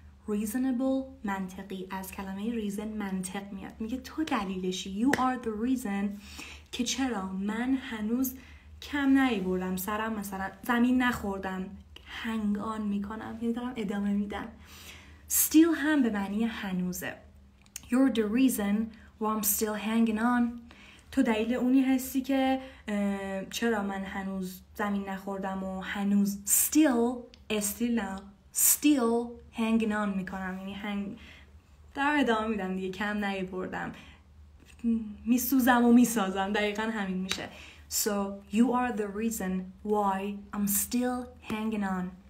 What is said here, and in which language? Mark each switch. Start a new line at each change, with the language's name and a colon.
Persian: reasonable منطقی، از کلمه reason منطق میاد. میگه تو دلیلشی،
English: you are the reason
Persian: که چرا من هنوز کم نیاوردم، سرم مثلا زمین نخوردم، hang on میکنم، یعنی دارم ادامه میدم. still هم به معنی هنوزه.
English: you're the reason why I'm still hanging on.
Persian: تو دلیل اونی هستی که چرا من هنوز زمین نخوردم و هنوز
English: still hanging on
Persian: میکنم، یعنی در ادامه میدم دیگه، کم نیاوردم، میسوزم و میسازم، دقیقا همین میشه.
English: So you are the reason why I'm still hanging on.